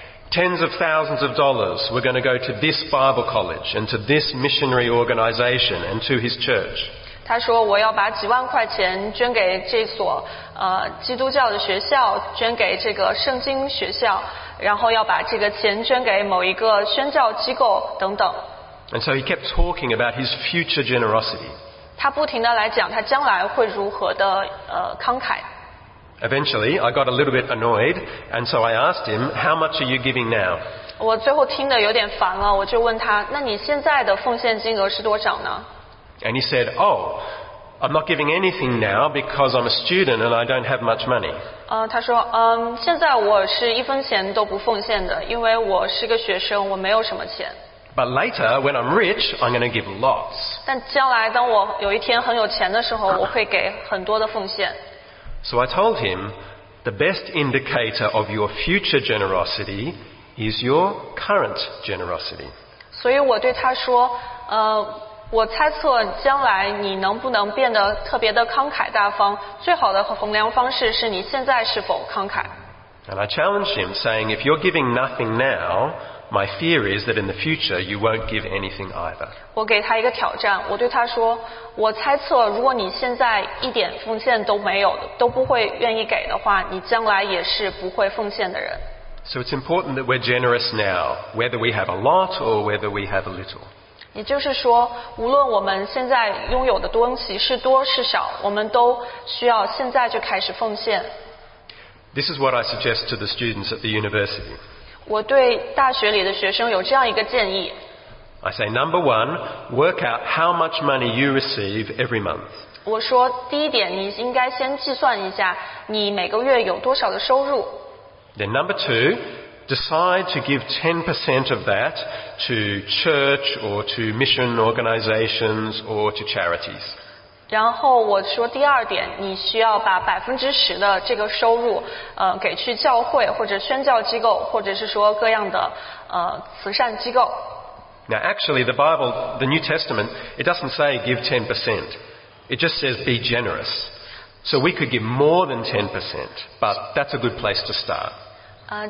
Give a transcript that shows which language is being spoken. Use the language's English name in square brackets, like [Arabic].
[English] Tens of thousands of dollars were going to go to this Bible college and to this missionary organization and to his church. [Chinese] 他说我要把几万块钱捐给这所基督教的学校，捐给这个圣经学校，然后要把这个钱捐给某一个宣教机构等等。 [English] And so he kept talking about his future generosity. [Chinese] 他不停地来讲他将来会如何的慷慨。 [English] Eventually, I got a little bit annoyed, and so I asked him, how much are you giving now? [Chinese] 我最后听得有点烦了，我就问他，那你现在的奉献金额是多少呢？ [English] And he said, oh, I'm not giving anything now because I'm a student and I don't have much money. [Chinese] 他说，现在我是一分钱都不奉献的，因为我是个学生，我没有什么钱。 [English] But later, when I'm rich, I'm going to give lots. [Chinese] 但将来当我有一天很有钱的时候，我会给很多的奉献。 [English] So I told him, the best indicator of your future generosity is your current generosity. [Chinese] 所以我对他说，我猜测将来你能不能变得特别的慷慨大方，最好的衡量方式是你现在是否慷慨。 [English] And I challenged him, saying, if you're giving nothing now,My fear is that in the future you won't give anything either. [Chinese] 我给他一个挑战，我对他说，我猜测如果你现在一点奉献都没有，都不会愿意给的话，你将来也是不会奉献的人。 [English] So it's important that we're generous now, whether we have a lot or whether we have a little. [Chinese] 也就是说，无论我们现在拥有的东西是多是少，我们都需要现在就开始奉献。 [English] This is what I suggest to the students at the university. [Chinese] 我对大学里的学生有这样一个建议。 [English] I say, number one, work out how much money you receive every month. [Chinese] 我说第一点，你应该先计算一下你每个月有多少的收入。 [English] Then number two, decide to give 10% of that to church or to mission organizations or to charities. [Chinese] 然后我说第二点，你需要把10%的这个收入，给去教会或者宣教机构，或者是说各样的慈善机构。 [English] Now, actually, the Bible, the New Testament, it doesn't say give 10%. It just says be generous. So we could give more than 10%, but that's a good place to start.